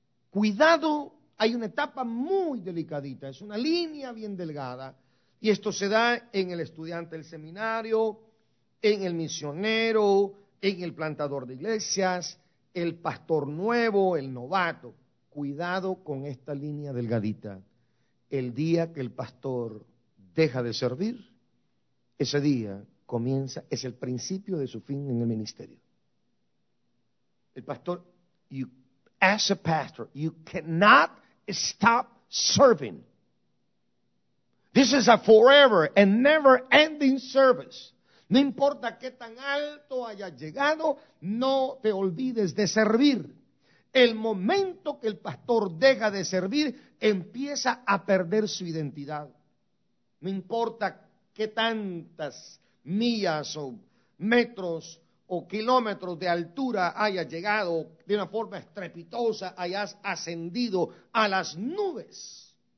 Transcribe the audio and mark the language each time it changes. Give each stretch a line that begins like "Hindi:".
Spanish: cuidado, hay una etapa muy delicadita, es una línea bien delgada, y esto se da en el estudiante del seminario, en el misionero, en el plantador de iglesias, el pastor nuevo, el novato. Cuidado con esta línea delgadita. El día que el pastor deja de servir, ese día comienza, es el principio de su fin en el ministerio. El pastor,
English: you, as a pastor, you cannot stop serving. This is a forever and never ending service.
Spanish: No importa qué tan alto haya llegado, no te olvides de servir. El momento que el pastor deja de servir, empieza a perder su identidad. No importa qué tantas millas o metros o kilómetros de altura haya llegado, de una forma estrepitosa hayas ascendido a las nubes.